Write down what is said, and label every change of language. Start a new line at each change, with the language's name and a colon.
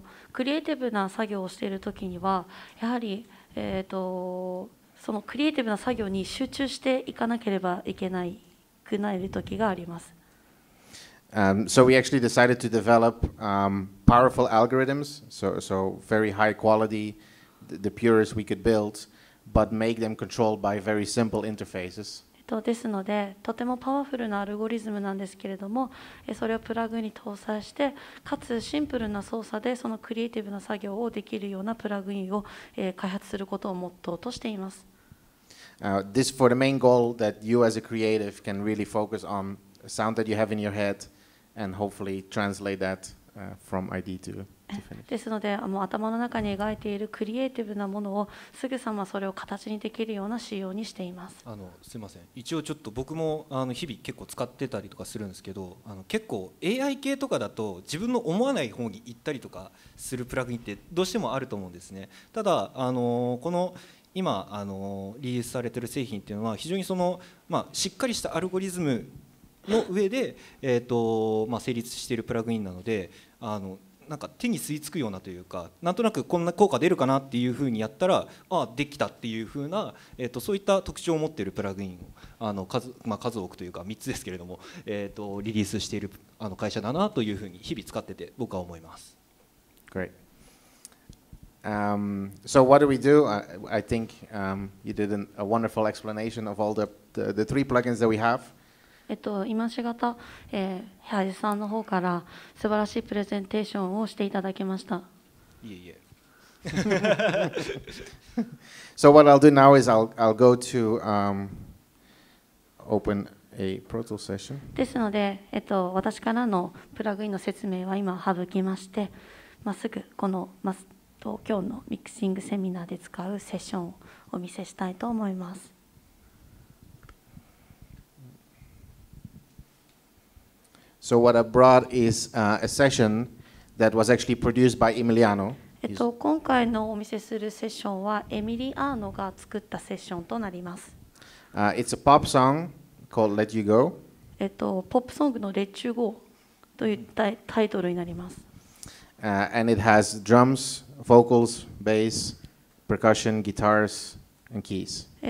Japanese: クリエイティブな作業をしているときには、やはり、そのクリエイティブな作業に集中していかなければいけないくなるときがあります。
English: So we actually decided to develop powerful algorithms, so very high quality, the purest we could build, but make them controlled by very simple interfaces.
Japanese: ですので、とてもパワフルなアルゴリズムなんですけれども、それをプラグインに搭載して、かつシンプルな操作でそのクリエイティブな作業をできるようなプラグインを、開発することをモットーとしています。
English: This for the main goal that you as a creative can really focus on a sound that you have in your head and hopefully translate that from ID to
Japanese: ですので、もう頭の中に描いているクリエイティブなものをすぐさまそれを形にできるような仕様にしています。すいません、一応ちょっと僕も日々結構使ってたりとかするんですけど、結構 AI 系とかだと自分の思わない方に行ったりとかするプラグインってどうしてもあると思うんですね。ただこの今リリースされている製品っていうのは非常にその、しっかりしたアルゴリズムの上で成立しているプラグインなので、なんか手に吸い付くようなというか、なんとなくこんな効果出るかなっていうふうにやったら、ああできたっていうふうな、そういった特徴を持っているプラグインを 数多くというか3つですけれども、リリースしている会社だなというふうに日々使ってて僕は思います。
English: Great、So what do we do? I think、you did a wonderful explanation of all the three plugins that we have。
Japanese: 今しがた、林さんの方から素晴らしいプレゼンテーションをしていただきました。いえいえ。
English: So what I'll do now is I'll go to open a proto session。
Japanese: ですので、私からのプラグインの説明は今省きまして、まっすぐこの東京のミキシングセミナーで使うセッションをお見せしたいと思います。
English: So what I brought is a session that was actually produced by Emiliano.
Japanese: 今回のお見せするセッションはエミリアーノが作ったセッションとなります。
English: It's a pop song called Let You Go.
Japanese: ポップソングの Let You Go というタイトルになります。
English: And it has drums, vocals, bass, percussion, guitars, and keys.